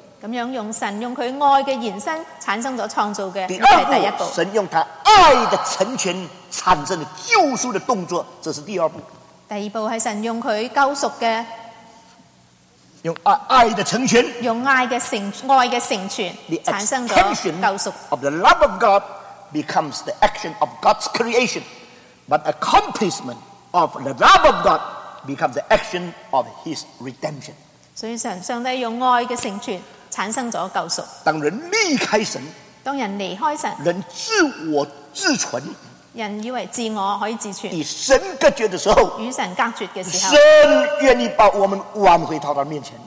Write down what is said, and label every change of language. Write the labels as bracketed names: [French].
[Chinese] 这样用神用他爱的延伸产生了创造的第二 步，神用他爱的成全产生了救赎的动作，这是第二步。第二步是神用他救赎的，用爱的成全，用爱的成爱的成全产生了救赎。 [English] The extension of the love of God becomes the action of God's creation, but accomplishment of the love of God becomes the action of His redemption. [Chinese] 所以神上帝用爱的成全产生了救赎。当人离开神，当人离开神，人自我自存，人以为自我可以自存，与神隔绝的时候，与神隔绝的时候，神愿意把我们挽回到他面前，